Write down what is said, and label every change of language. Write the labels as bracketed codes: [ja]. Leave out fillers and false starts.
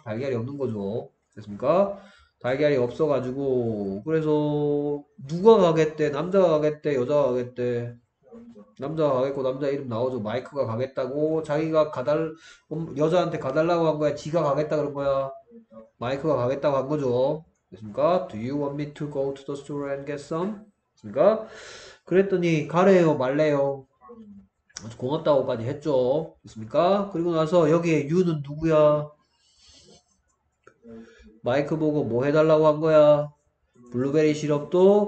[ko] 달걀이 없는 거죠. 됐습니까? 달걀이 없어 가지고 그래서 누가 가겠대? 남자가 가겠대? 여자가 가겠대? 남자가 가겠고 남자 이름 나오죠. 마이크가 가겠다고 자기가 여자한테 가달라고 한 거야. 지가 가겠다 그런 거야. 마이크가 가겠다고 한 거죠. 됐습니까? [en] Do you want me to go to the store and get some? [ko] 그러니까 그랬더니 가래요 말래요. 고맙다고까지 했죠. 됐습니까? 그리고 나서 여기에 유는 누구야? 마이크 보고 뭐 해달라고 한 거야? 블루베리 시럽도.